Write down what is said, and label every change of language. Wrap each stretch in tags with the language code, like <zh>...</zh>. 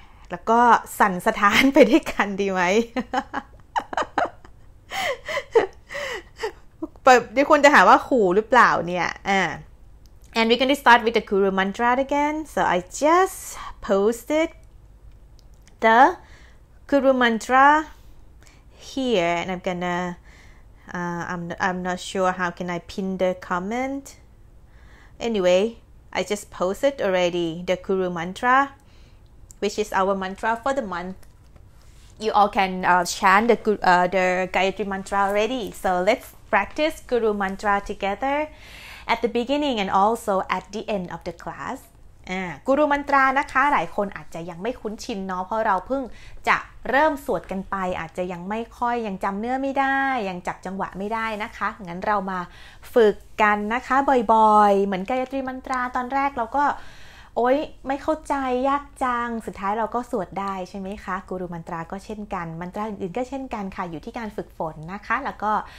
<th>แล้วก็สั่นสะท้านไปด้วยกันดีไหมเดี๋ยวคนจะหาว่าขู่หรือเปล่าเนี่ย</th> <en>And we're going to start with the Guru Mantra again so I just posted the Guru Mantra here and I'm gonnaI'm not sure how can I pin the comment. Anyway, I just posted already the Guru Mantra, which is our mantra for the month. You all can chant the Gayatri Mantra already. So let's practice Guru Mantra together at the beginning and also at the end of the class.</en> <th>Guru Mantra นะคะหลายคนอาจจะยังไม่คุ้นชินเนาะเพราะเราเพิ่งจะเริ่มสวดกันไปอาจจะยังไม่ค่อยยังจำเนื้อไม่ได้ยังจับจังหวะไม่ได้นะคะงั้นเรามาฝึกกันนะคะบ่อยๆเหมือนกายตรีมันตราตอนแรกเราก็ โอ๊ยไม่เข้าใจยากจังสุดท้ายเราก็สวดได้ใช่ไหมคะกูรูมันตราก็เช่นกันมันตราอื่นๆก็เช่นกันค่ะอยู่ที่การฝึกฝนนะคะแล้วก็</th>